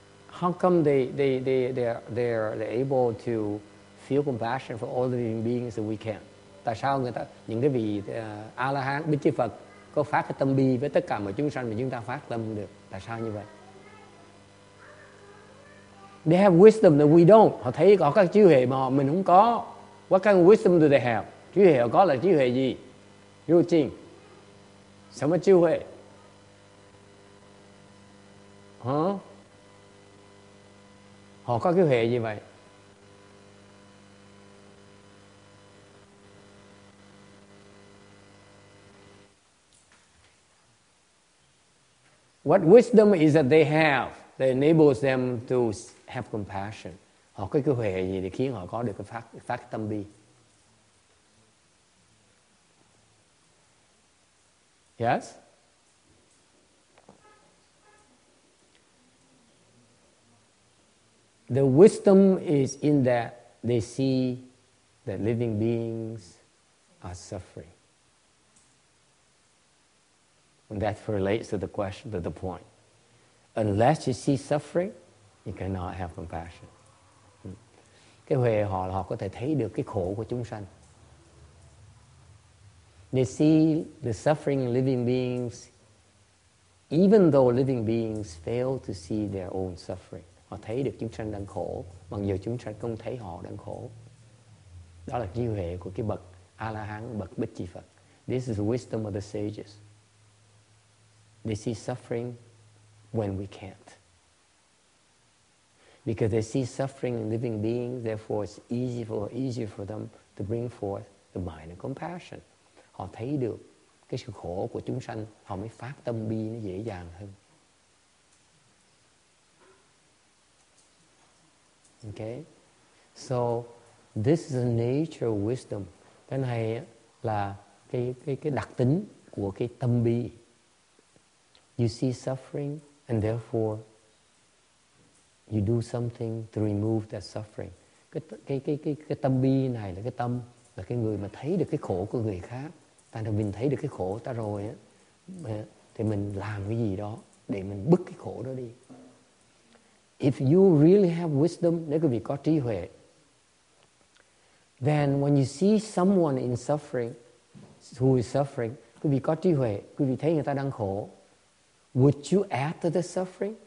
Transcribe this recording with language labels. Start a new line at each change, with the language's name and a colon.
English: How come they're able to feel compassion for all the living beings that we can?
Vietnamese: Tại sao người ta những cái vị A-la-hán, Bích Chí Phật có phát cái tâm bi với tất cả mọi chúng sanh mà chúng ta phát tâm được? Tại sao như vậy?
English: They have wisdom that we don't.
Vietnamese: Họ thấy có các trí huệ mà mình không có.
English: What kind of wisdom do they have?
Vietnamese: Trí huệ họ có là trí huệ gì? Vô trình. Sao mà trí huệ? Hả? Họ có cái huệ gì vậy?
English: What wisdom is that they have that enables them to have compassion?
Vietnamese: Họ có cái huệ gì để khiến họ có được cái phát tâm bi?
English: Yes? The wisdom is in that they see that living beings are suffering. And that relates to the question, to the point. Unless you see suffering, you cannot have compassion.
Vietnamese: Cái huệ họ là họ có thể thấy được cái khổ của chúng sanh.
English: They see the suffering in living beings, even though living beings fail to see their own suffering.
Vietnamese: Họ thấy được chúng sanh đang khổ, mặc dù chúng sanh không thấy họ đang khổ. Đó là trí huệ của cái bậc A-la-hán, bậc Bích Chi Phật.
English: This is the wisdom of the sages. They see suffering when we can't. Because they see suffering in living beings, therefore it's easier for them to bring forth the mind of compassion.
Vietnamese: Họ thấy được cái sự khổ của chúng sanh, họ mới phát tâm bi nó dễ dàng hơn.
English: Okay. So this is the nature of wisdom.
Vietnamese: Cái này là cái đặc tính của cái tâm bi.
English: You see suffering and therefore you do something to remove that suffering.
Vietnamese: Cái tâm bi này là cái tâm, là cái người mà thấy được cái khổ của người khác. Tại vì mình thấy được cái khổ ta rồi á, thì mình làm cái gì đó để mình bứt cái khổ đó đi.
English: If you really have wisdom,
Vietnamese: nếu quý vị có trí huệ,
English: then when you see someone in suffering, who is suffering,
Vietnamese: quý vị có trí huệ, quý vị thấy người ta đang khổ,
English: would you add to the suffering?